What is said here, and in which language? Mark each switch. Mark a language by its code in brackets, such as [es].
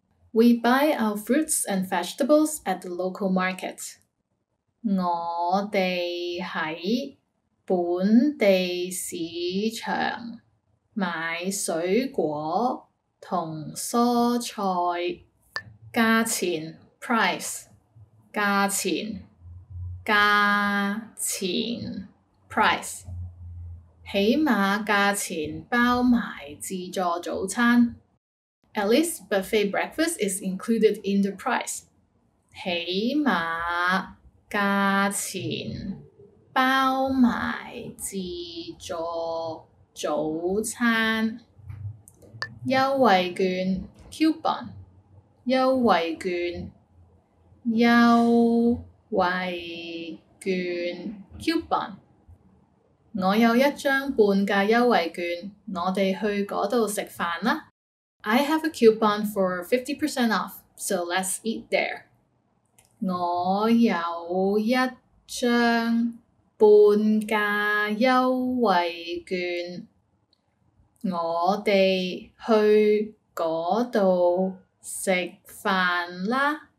[en] We buy our fruits and vegetables at the local market. [yue] 我哋喺本地市場買水果同蔬菜。價錢 price 價錢價錢 price 起碼價錢包埋自助早餐。 [en] At least buffet breakfast is included in the price. [yue] 起碼價錢包埋自助早餐。優惠券 coupon 優惠券優惠券 coupon 我有一張半價優惠券，我哋去嗰度食飯啦。 [en] I have a coupon for 50% off, so let's eat there. [yue] 我有一張半價優惠券，我哋去嗰度食飯啦。